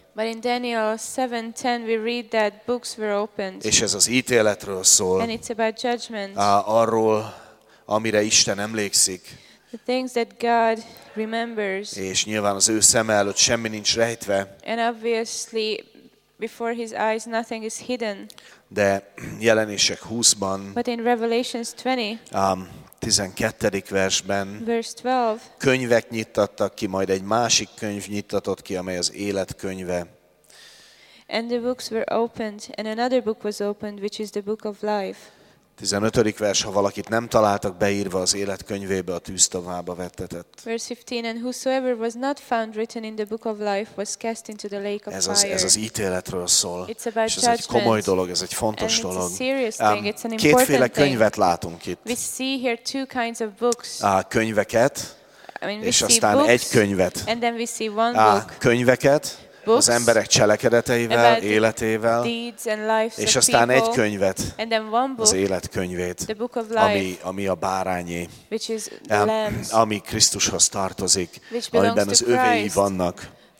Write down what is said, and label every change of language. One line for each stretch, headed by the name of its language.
English: But in Daniel 7:10 we read that books were opened.
Hungarian: És ez az ítéletről szól.
English: And it's about judgment.
Hungarian: Arról, amire Isten emlékszik.
English: The things that God remembers.
Hungarian: És nyilván az ő szeme előtt semmi nincs rejtve.
English: And obviously before his eyes nothing is hidden.
Hungarian: De jelenések 20-ban.
English: But in Revelations 20.
Hungarian: 12. versben
English: Verse 12.
Hungarian: könyvek nyittattak ki, majd egy másik könyv nyittatott ki, amely az élet könyve.
English: And the books were opened, and another book was opened, which is the book of life.
Hungarian: 15. vers, ha valakit nem találtak beírva az élet könyvébe, a tűz továba vettetett.
English: Verse 15, and whosoever was not found written in the book of life was cast into the lake of fire.
Hungarian: Ez az ítéletről szól.
English: It's about judgment.
Hungarian: És ez egy komoly dolog, ez egy fontos dolog.
English: And it's a serious thing. It's an important
Hungarian: kétféle könyvet látunk itt.
English: We see here two kinds of books.
Hungarian: Könyveket, és aztán
English: books,
Hungarian: egy könyvet.
English: And then we see one book.
Hungarian: Könyveket. Az emberek cselekedeteivel, életével, és aztán egy könyvet, az életkönyvét, ami a bárányé, ami Krisztushoz tartozik, amiben az övéi vannak.